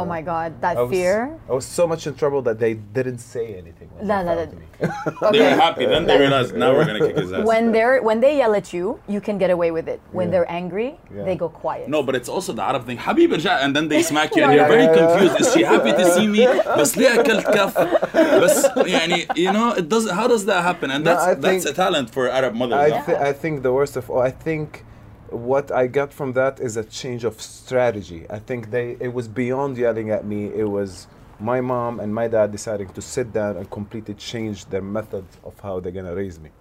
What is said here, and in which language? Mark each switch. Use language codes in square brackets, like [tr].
[en] Oh my God, fear! I was so much in trouble that they didn't say anything. They were happy. Then they realized now we're gonna kick his ass. When they yell at you, you can get away with it. When they're angry, they go quiet. No, but it's also the Arab thing. Habib, and then they smack you, and you're very confused. Is she happy to see me? [ar] بس ليه أكلت كف؟ بس يعني, you know, it does. [en] How does that happen? And that's a talent for Arab mothers. I think the worst of all. I think. What I got from that is a change of strategy. I think it was beyond yelling at me. It was my mom and my dad deciding to sit down and completely change their method of how they're gonna raise me.